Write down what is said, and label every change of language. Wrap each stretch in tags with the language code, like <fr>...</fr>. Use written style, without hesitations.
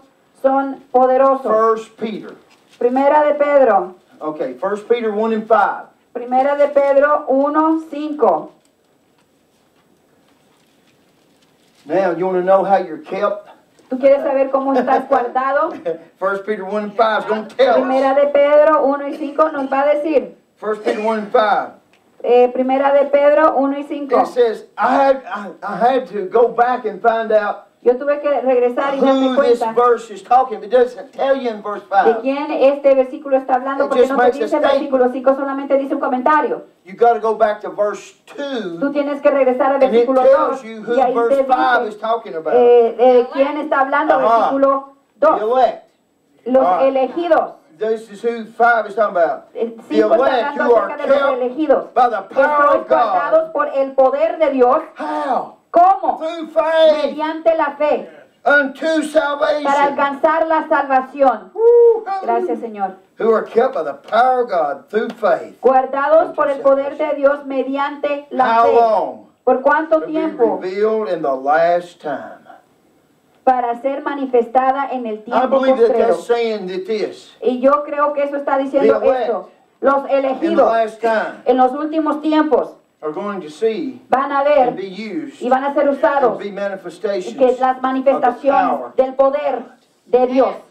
<es>Dos son poderosos.</es> <en>1 Peter.</en> <es>Primera de Pedro.</es> <en>Okay, 1 Peter 1 and 5.</en> <es>Primera de Pedro 1, 5.</es> <en>Now, you want to know how you're kept?</en> <es>¿Tú quieres saber cómo estás guardado?</es> <en>1 Peter 1 and 5 is going to tell us.</en> <es>Primera de Pedro 1 y 5 nos va a decir.</es> <en>1 Peter 1 and 5.</en> <es>Primera de Pedro 1 y 5.</es> <en>It says, I had to go back and find out</en> <es>yo tuve que regresar y</es> <en>who</en> <es>darme cuenta</es> <en>this verse is talking. It doesn't tell you in verse 5.</en> <es>¿De quién este versículo está hablando?</es> <en>It</en> <es>porque no te dice el versículo 5, solamente dice un comentario.</es> <en>You got to go back to verse 2.</en> <es>Tú tienes que regresar al versículo 2.</es> <en>And it tells you who verse 5 is talking about.</en> <es>¿De quién está hablando el versículo Los elegidos.</es> <en>This is who five is talking about. The elect, you are kept by the power of God.</en> <es>Guardados por el poder de Dios.</es> <en>How?</en> <es>¿Cómo?</es> <en>Through faith.</en> <es>Mediante la fe.</es> <en>Unto salvation.</en> <es>Para alcanzar la salvación. Gracias, Señor.</es> <en>Who are kept by the power of God through faith.</en> <es>Guardados por el poder de Dios mediante la fe.</es> <en>How long?</en> <es>¿Por cuánto tiempo?</es> <en>To be revealed in the last time.</en> <es>Para ser manifestada en el tiempo postrero. Y yo creo que eso está diciendo esto. Los elegidos en los últimos tiempos van a ver y van a ser usados y que las manifestaciones del poder de Dios.</es>